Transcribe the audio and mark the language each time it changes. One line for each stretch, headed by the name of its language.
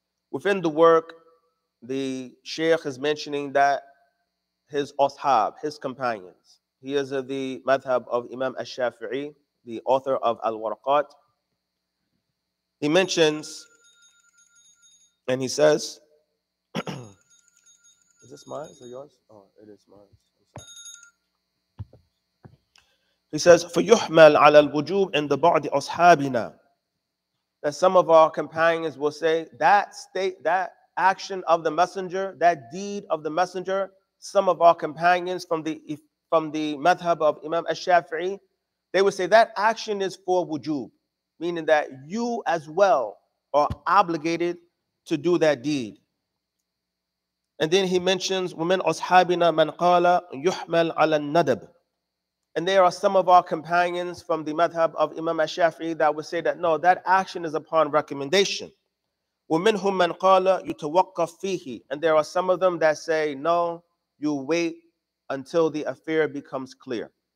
English: Within the work, the Shaykh is mentioning that his ashab, his companions, he is of the madhab of Imam al-Shafi'i, the author of Al-Waraqat. He mentions, and he says, is this mine or yours? Oh, it is mine. He says,
Arabic: فَيُحْمَلْ عَلَى الْوُجُوبِ عِنْدَ بَعْدِ أَصْحَابِنَا.
English: That some of our companions will say, that state, that action of the messenger, that deed of the messenger, some of our companions from the madhab of Imam al-Shafi'i, they will say, that action is for wujub, meaning that you as well are obligated to do that deed. And then he mentions,
Arabic: وَمِنْ أَصْحَابِنَا مَنْ قَالَ يُحْمَلْ عَلَى النَّدَبِ.
English: And there are some of our companions from the madhab of Imam al-Shafi'i that would say that, no, that action is upon recommendation.
Arabic: وَمِنْهُمْ مَنْ قَالَ يُتَوَقَّفْ فِيهِ.
English: And there are some of them that say, no, you wait until the affair becomes clear.